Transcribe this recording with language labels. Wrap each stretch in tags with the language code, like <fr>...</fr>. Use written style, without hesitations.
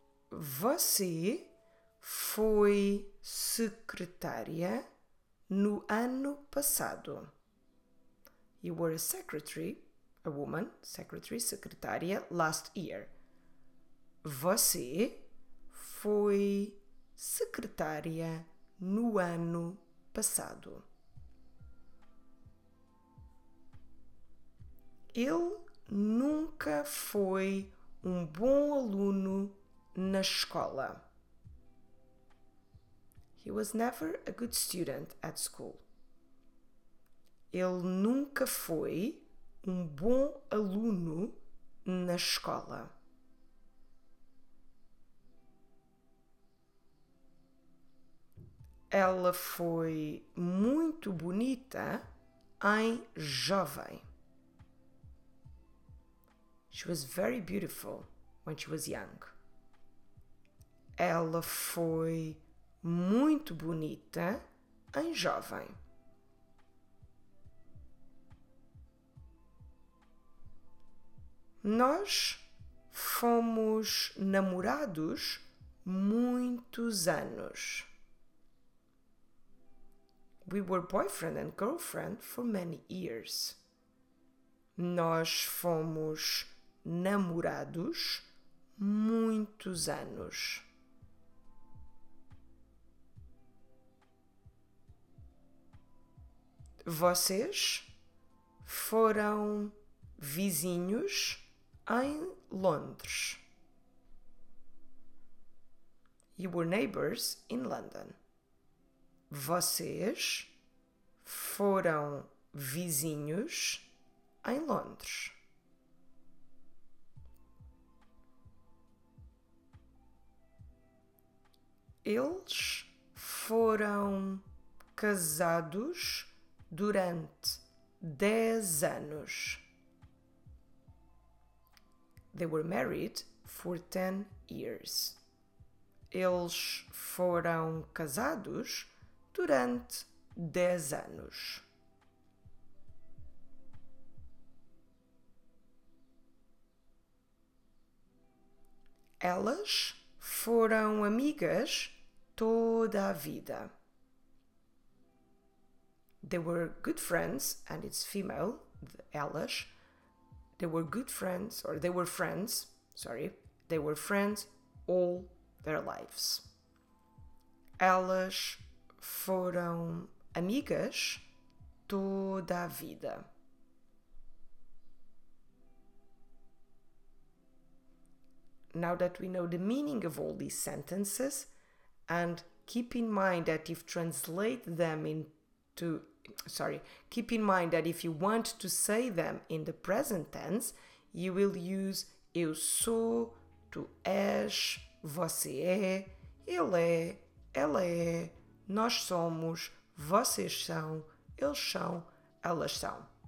<pt>Você foi secretária no ano passado.</pt> <en>You were a secretary, a woman, secretary, secretária, last year.</en> <pt>Você foi secretária no ano passado. Ele nunca foi um bom aluno na escola.</pt> <en>He was never a good student at school.</en> <pt>Ele nunca foi um bom aluno na escola. Ela foi muito bonita ai jovem.</pt> <en>She was very beautiful when she was young.</en> <pt>Ela foi muito bonita em jovem. Nós fomos namorados muitos anos.</pt> <en>We were boyfriend and girlfriend for many years.</en> <pt>Nós fomos namorados muitos anos. Vocês foram vizinhos em Londres.</pt> <en>You were neighbors in London.</en> <pt>Vocês foram vizinhos em Londres. Eles foram casados durante 10 anos.</pt> <en>They were married for 10 years.</en> <pt>Eles foram casados durante 10 anos. Elas foram amigas toda a vida.</pt> <en>They were good friends, and it's female, elas. They were good friends, or they were friends, sorry. They were friends all their lives.</en> <pt>Elas foram amigas toda a vida.</pt> <en>Now that we know the meaning of all these sentences, and keep in mind that if translate them into... Sorry, keep in mind that if you want to say them in the present tense, you will use</en> <pt>eu sou, tu és, você é, ela é, nós somos, vocês são, eles são, elas são.</pt>